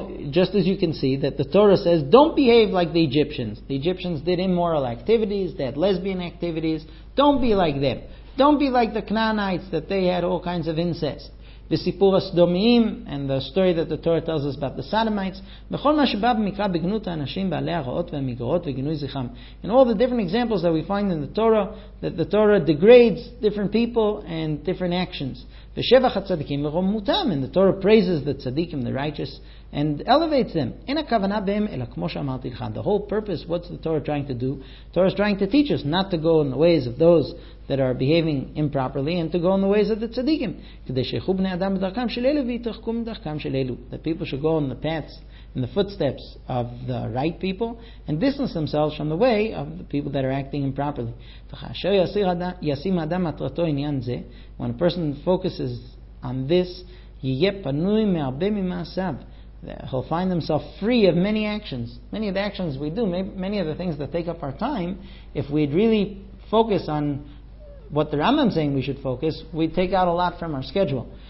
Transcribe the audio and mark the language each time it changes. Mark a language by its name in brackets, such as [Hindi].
[English] Just as you can see that the Torah says, don't behave like the Egyptians. The Egyptians did immoral activities, they had lesbian activities. Don't be like them. Don't be like the Canaanites, that they had all kinds of incest. [Hebrew] וסיפור הסדומיים, [English] and the story that the Torah tells us about the Sodomites, [Hebrew] וכל מה שבא במקרא בגנות האנשים בעלי הרעות והמגרעות וגינוי זכרם. [English] And all the different examples that we find in the Torah, that the Torah degrades different people and different actions. [Hebrew] ושבח הצדיקים ורוממותם, [English] and the Torah praises the tzaddikim, the righteous, and elevates them. [Hebrew] אין הכוונה בהם, אלא כמו שאמרתי לך. [English] The whole purpose, what's the Torah trying to do? The Torah is trying to teach us not to go in the ways of those that are behaving improperly and to go in the ways of the tzaddikim. [Hebrew] כדי שיחו בני אדם בדרכם של אלו ויתרחקו מדרכם של אלו. [English] That people should go in the paths, in the footsteps of the right people and distance themselves from the way of the people that are acting improperly. [Hebrew] וכאשר ישים האדם מטרתו עניין זה, [English] when a person focuses on this, [Hebrew] יהיה פנוי מהרבה ממעשיו. [English] He'll find himself free of many actions. Many of the actions we do, many of the things that take up our time, if we'd really focus on what the Rambam is saying we should focus, we'd take out a lot from our schedule.